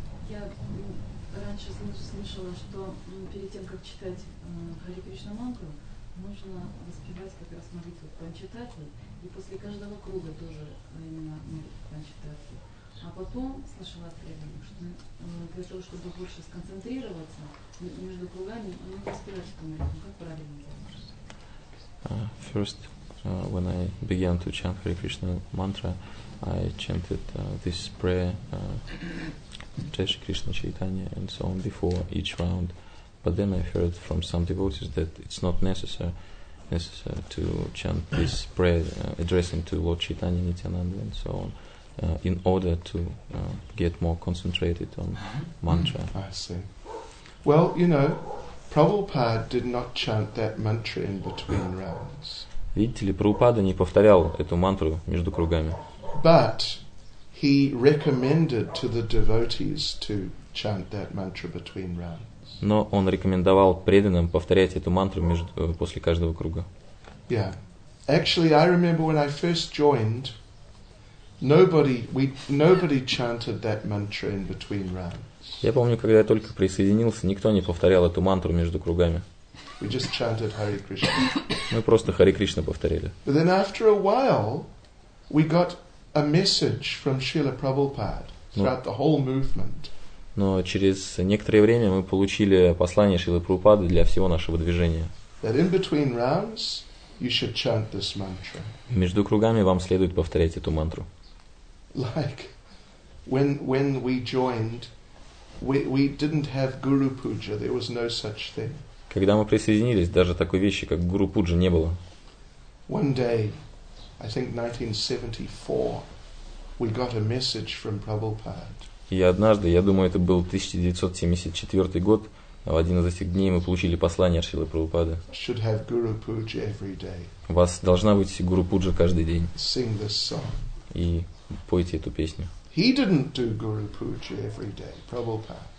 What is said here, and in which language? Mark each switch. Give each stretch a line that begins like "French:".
Russian: Я раньше слышала, что перед тем, как читать Хари Кришна мантру, нужно воспевать как раз молитву Панчататвы, и после каждого круга тоже именно молитву Панчататвы. А потом слышала от преданных, что для того, чтобы больше сконцентрироваться между кругами, нужно воспевать эту молитву. Как правильно делать?
English: When I began to chant Hare Krishna mantra, I chanted this prayer, Jai Shri Krishna Chaitanya, and so on before each round. But then I heard from some devotees that it's not necessary to chant this prayer addressing to Lord Chaitanya Nityananda and so on. in order to get more concentrated on mantra. I see. Well, you know, Prabhupada did not chant that mantra in between rounds.
Russian: Видите ли, Прабхупада не повторял эту мантру между кругами.
English: But he recommended to the devotees to chant that mantra between rounds.
Russian: Но он рекомендовал преданным повторять эту мантру между, после каждого круга.
English: Yeah. Actually, I remember when I first joined, nobody chanted that mantra in between rounds.
Russian: Я помню, когда я только присоединился, никто не повторял эту мантру между кругами.
English: We just chanted Hare Krishna.
Russian: Мы просто Харе Кришна повторили.
English: But then after a while, we got a message from Srila Prabhupada throughout the whole movement.
Russian: Но через некоторое время мы получили послание Шрилы Прабхупады для всего нашего движения.
English: That in between rounds you should chant this mantra.
Russian: Между кругами вам следует повторять эту мантру.
English: Like when we joined, we didn't have Guru Puja, there was no such thing.
Russian: Когда мы присоединились, даже такой вещи, как Гуру Пуджа, не было.
English: One day, I think 1974, we got a message from Prabhupada.
Russian: И однажды, я думаю, это был 1974 год, в один из этих дней мы получили послание от Шрилы Прабхупады.
English: Should have Guru Puja every day.
Russian: У вас должна быть Гуру Пуджа каждый день.
English: Sing this song.
Russian: И пойте эту песню.
English: He didn't do Guru Puja every day, Prabhupada.